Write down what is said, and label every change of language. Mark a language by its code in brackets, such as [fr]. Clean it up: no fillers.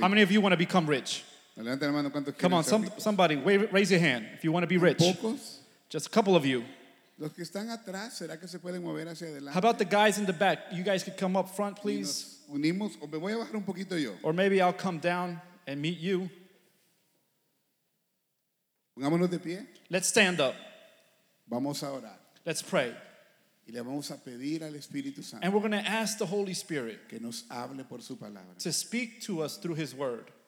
[en] How many of you want to become rich? [es] Levanta la mano, ¿cuántos quieren ser ricos? [en] Come on, somebody, raise your hand if you want to be rich. [es] ¿Pocos? [en] Just a couple of you. [es] Los que están atrás, ¿será que se pueden mover hacia adelante? [en] How about the guys in the back? You guys could come up front, please. [es] Nos unimos, o me voy a bajar un poquito yo. [en] Or maybe I'll come down and meet you. [es] Pongámonos de pie. [en] Let's stand up. [es] Vamos a orar. [en] Let's pray. [es] Y le vamos a pedir al Espíritu Santo. [en] And we're going to ask the Holy Spirit [es] que nos hable por su palabra. [en] To speak to us through his word.